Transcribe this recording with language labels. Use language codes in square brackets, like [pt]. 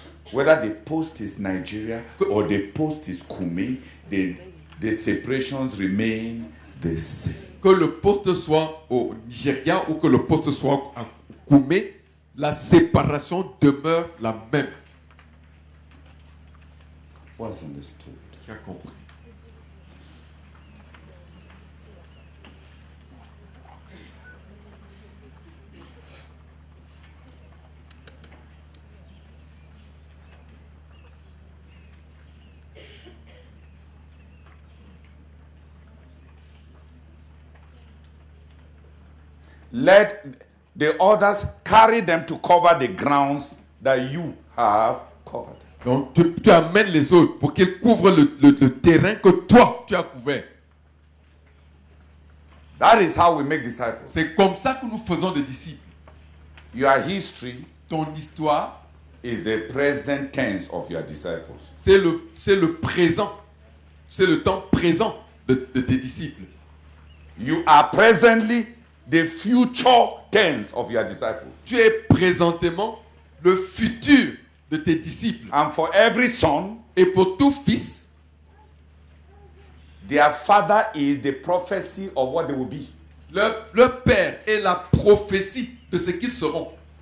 [en] Whether the post is Nigeria or the post is Kumé, the separations remain. [fr] Que le poste soit au Nigeria ou que le poste soit à Koumé, la séparation demeure la même. [en] What's understood? [fr] Qui a compris? [en] Let the others carry them to cover the grounds that you have covered. [fr] Donc tu amènes les autres pour qu'ils couvrent le terrain que toi tu as couvert. [en] That is how we make disciples. [fr] C'est comme ça que nous faisons des disciples. [en] Your history, [fr] ton histoire, [en] is the present tense of your disciples. [fr] C'est le présent, c'est le temps présent de tes disciples. [en] You are presently the future tense of your disciples. [fr] Tu es présentement le futur de tes disciples. [en] And for every son, [fr] et pour tout fils, [en] their father is the prophecy of what they will be. [fr] leur père est la prophétie de ce qu'ils seront.